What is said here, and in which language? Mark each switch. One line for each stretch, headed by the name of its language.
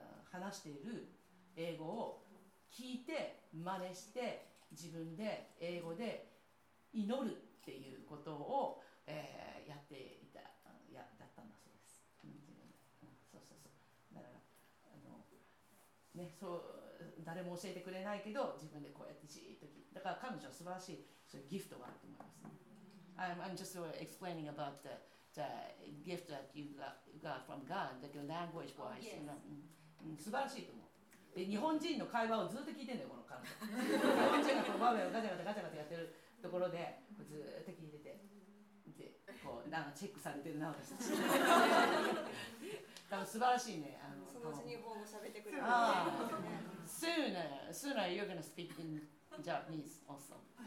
Japanese: 話している英語を聞いて真似して自分で英語で祈るっていうことを、やっていた、だったんだそうです、うん、自分で、うん、そうそうそう、だからね、そう誰も教えてくれないけど自分でこうやってじーっと、だから彼女は素晴らしいそういうギフトがあると思います、ね。
English: I'm just explaining about the gift that you got from God, the language wise. Oh, yes.
Japanese: うん、素晴らしいと思う。で日本人の会話をずっと聞いてんだよこの彼女。日本人がこうバーベルガチャガチャガチャガチャやってるところでずっと聞いてて、でこうなんかチェックされてるな私たち。多分素晴らしいね。そのうち日本語喋ってくれる。
English: Sooner you're gonna speak in Japanese also.